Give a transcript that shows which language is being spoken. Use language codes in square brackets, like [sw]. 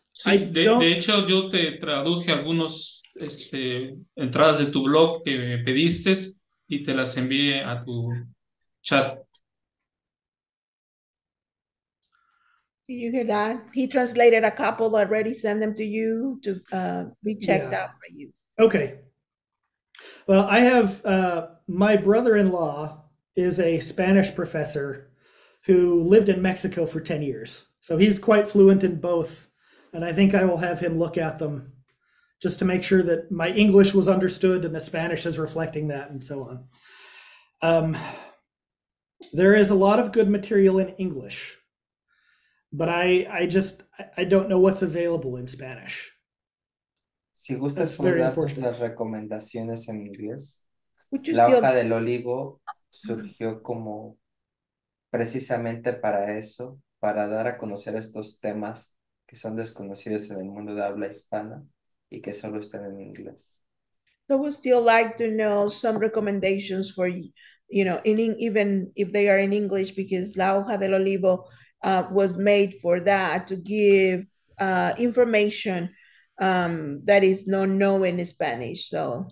[es] sí, de hecho yo te traduje algunos entradas de tu blog que me pediste, y te las envíe a tu chat. [en] Did you hear that? He translated a couple already, sent them to you to be checked out by you. Okay. Well, I have, my brother-in-law is a Spanish professor who lived in Mexico for 10 years. So he's quite fluent in both. And I think I will have him look at them just to make sure that my English was understood and the Spanish is reflecting that and so on. There is a lot of good material in English, but I don't know what's available in Spanish. [es] Si gustas poner las recomendaciones en inglés, la hoja del olivo surgió como precisamente para eso, para dar a conocer estos temas que son desconocidos en el mundo de habla hispana y que solo están en inglés. [en] So we still like to know some recommendations for you. You know, even if they are in English, because La Hoja del Olivo was made for that, to give information that is not known in Spanish. So,